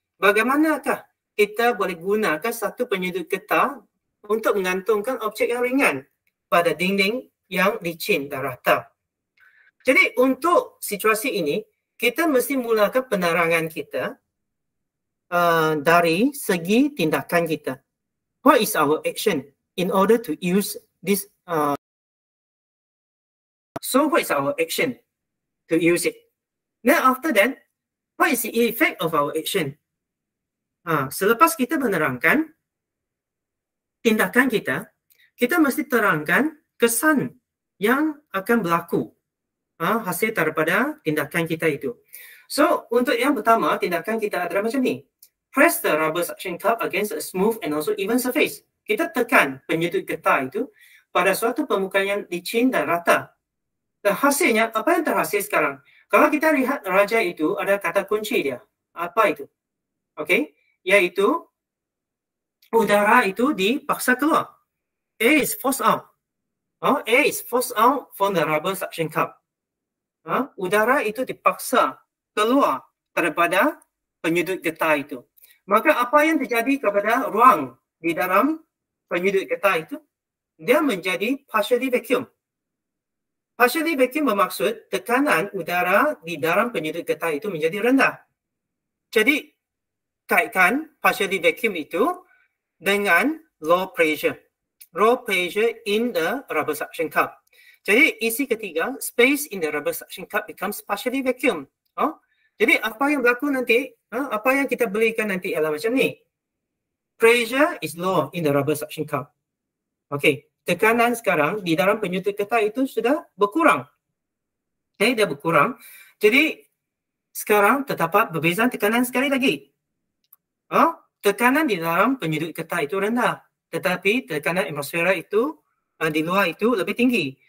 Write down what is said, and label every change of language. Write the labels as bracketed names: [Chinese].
[Malay] Bagaimanakah kita boleh gunakan satu penyedut getah untuk mengantungkan objek yang ringan pada dinding yang licin dan rata? Jadi untuk situasi ini, kita mesti mulakan penerangan kita dari segi tindakan kita. [English] What is our action in order to use this? So what is our action to use it? Then after that, what is the effect of our action? [Malay] Selepas kita menerangkan tindakan kita, kita mesti terangkan kesan yang akan berlaku hasil daripada tindakan kita itu. So untuk yang pertama, tindakan kita adalah macam ni. [English] Press the rubber suction cup against a smooth and also even surface. [Malay] Kita tekan penyedut getah itu pada suatu permukaan yang licin dan rata. Dan hasilnya, apa yang terhasil sekarang? Kalau kita lihat raja itu, ada kata kunci dia. Apa itu? Okay? Iaitu, udara itu dipaksa keluar. [English] Air is forced out. Air is forced out from the rubber suction cup. [Malay] Udara itu dipaksa keluar daripada penyedut getah itu. Maka apa yang terjadi kepada ruang di dalam penyedut getah itu? Dia menjadi partially vacuum. Partially vacuum bermaksud tekanan udara di dalam penyedut getah itu menjadi rendah. Jadi, kaitkan partially vacuum itu dengan low pressure. [English] Low pressure in the rubber suction cup. [Malay] Jadi, isi ketiga, [English] space in the rubber suction cup becomes partially vacuum. [Malay] Jadi, apa yang berlaku nanti, apa yang kita belikan nanti ialah macam ni. [English] pressure is low in the rubber suction cup. [Malay] Okay, tekanan sekarang di dalam penyutup ketat itu sudah berkurang. Okay, dia berkurang. Jadi sekarang terdapat perbezaan tekanan sekali lagi. Oh, tekanan di dalam penyutup ketat itu rendah, tetapi tekanan atmosfera itu di luar itu lebih tinggi.